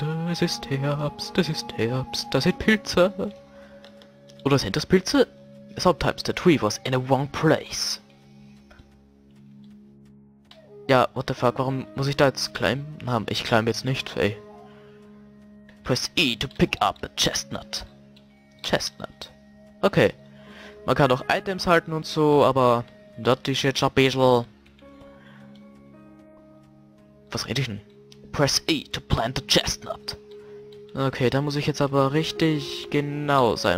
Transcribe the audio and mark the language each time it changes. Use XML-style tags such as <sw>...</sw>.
<de>Es ist Herbst, das ist Herbst, das sind Pilze. Oder sind das Pilze?</de> <en>Sometimes the tree was in a wrong place.</en> <de>Ja,</de> <en>what the fuck,</en> <de>warum muss ich da jetzt climben? Na, ich climb jetzt nicht, ey.</de> <en>Press E to pick up a chestnut. Chestnut. Okay.</en> <de>Man kann auch Items halten und so, aber... Das ist jetzt ein bisschen... Was rede ich denn?</de> <en>Press E to plant the chestnut.</en> <de>Okay, da muss ich jetzt aber richtig genau sein.</de>